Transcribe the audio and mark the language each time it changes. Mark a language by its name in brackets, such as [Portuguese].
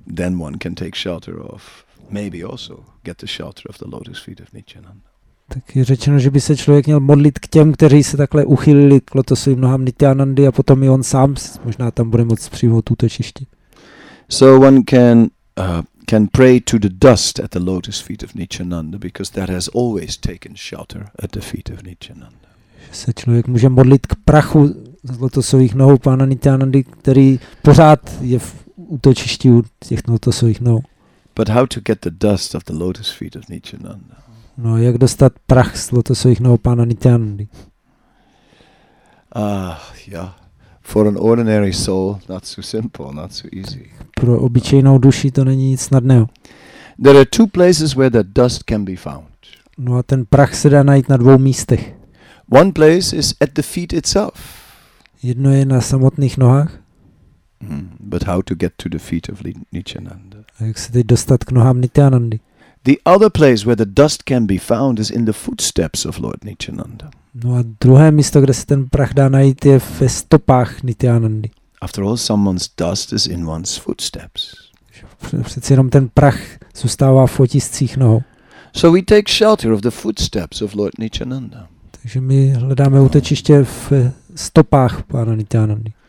[English] Then one can take shelter of, maybe also get the shelter of the lotus feet of Nityananda. [Czech] Tak je řečeno, že by se člověk měl modlit k těm, kteří se takhle uchylili k lotosovým nohám Nityanandy, a potom i on sám možná tam bude moct přijmout útočiště. [English] So one can pray to the dust at the lotus feet of Nityananda, because that has always taken shelter at the feet of Nityananda. [Czech] Se člověk může modlit k prachu z lotosových nohou pána Nityanandy, který pořád je v útočišti u těch lotosových nohou. [English] But how to get the dust of the lotus feet of Nityananda? [Czech] No, jak dostat prach z lotosových nohou pána Nityanandy? [English] For an ordinary soul, not so simple, not so easy. [Czech] Pro obyčejnou duši to není nic snadného. [English] There are two places where the dust can be found. [Czech] No a ten prach se dá najít na dvou místech. [English] One place is at the feet itself. [Czech] Jedno je na samotných nohách. [English] But how to get to the feet of Nityananda? [Czech] A jak se teď dostat k nohám Nityanandy? [English] The other place where the dust can be found is in the footsteps of Lord Nityananda. [Czech] No a druhé místo, kde se ten prach dá najít, je ve stopách Nityanandy. [English] After all, someone's dust is in one's footsteps. [Czech] Přeci jenom ten prach zůstává v otiscích nohou. [English] So we take shelter of the footsteps of Lord Nityananda. [Czech] Takže my hledáme útočiště v stopách pána Nityanandy.